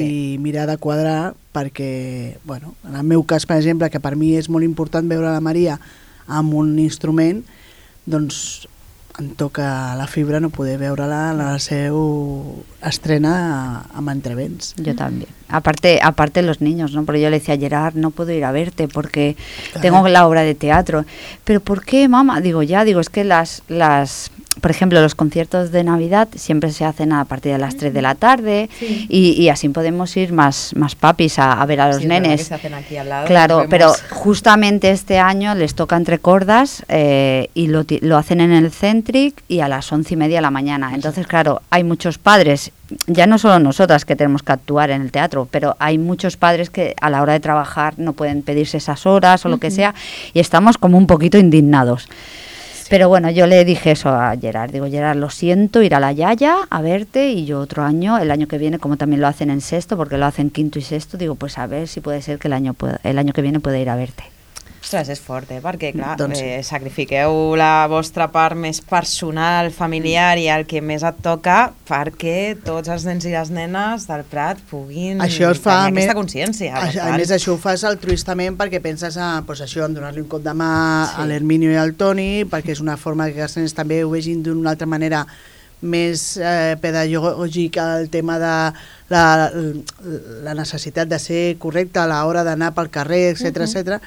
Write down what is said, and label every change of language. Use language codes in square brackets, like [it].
[ca] i mirar de quadrar perquè, bueno, en el meu cas, per exemple, que per mi és molt important veure la Maria amb un instrument, doncs... em toca la fibra no poder veure-la a la seu estrena amb entrevents. Jo també. [es] Aparte los niños, ¿no? Porque yo le decía a Gerard, no puedo ir a verte porque tengo la obra de teatro. Pero ¿por qué, mamá? Digo, es que las por ejemplo, los conciertos de Navidad siempre se hacen a partir de las 3 de la tarde sí. y así podemos ir más papis a ver a los sí, nenes. Se hacen aquí al lado, claro, pero justamente este año les toca entre cordas y lo hacen en el Centric y a las 11:30 de la mañana. Entonces, claro, hay muchos padres, ya no solo nosotras que tenemos que actuar en el teatro, pero hay muchos padres que a la hora de trabajar no pueden pedirse esas horas o lo que sea y estamos como un poquito indignados. Pero bueno, yo le dije eso a Gerard, digo, Gerard, lo siento, ir a la Yaya a verte y yo otro año, el año que viene, como también lo hacen en sexto, porque lo hacen quinto y sexto, digo, pues a ver si puede ser que el año que viene pueda ir a verte. [ca] Ostres, és fort, perquè clar, doncs... sacrifiqueu la vostra part més personal, familiar i el que més et toca perquè tots els nens i les nenes del Prat puguin això es fa tenir aquesta consciència. A més, això ho fas altruistament perquè penses en, pues, això, en donar-li un cop de mà sí. a l'Herminio i al Toni, perquè és una forma que els nens també ho vegin d'una altra manera més pedagògica, el tema de la necessitat de ser correcte a l'hora d'anar pel carrer, etc etc.